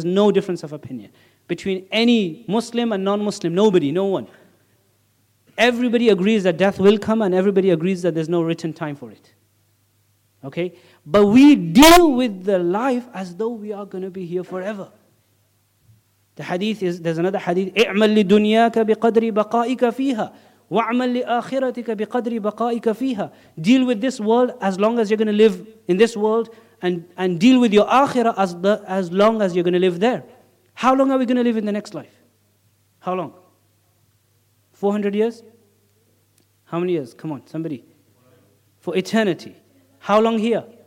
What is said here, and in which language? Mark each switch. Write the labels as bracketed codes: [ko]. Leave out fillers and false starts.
[en] There's no difference of opinion between any Muslim and non-Muslim. Nobody, no one. Everybody agrees that death will come, and everybody agrees that there's no written time for it. Okay? But we deal with the life as though we are going to be here forever. The hadith is, there's another hadith, [ar] اعمل لدنياك بقدر بقائك فيها وعمل لآخرتك بقدر بقائك فيها. [en] Deal with this world as long as you're going to live in this world, and deal with your akhirah as long as you're going to live there. How long are we going to live in the next life? How long? 400 years? How many years? Come on, somebody. For eternity. How long here?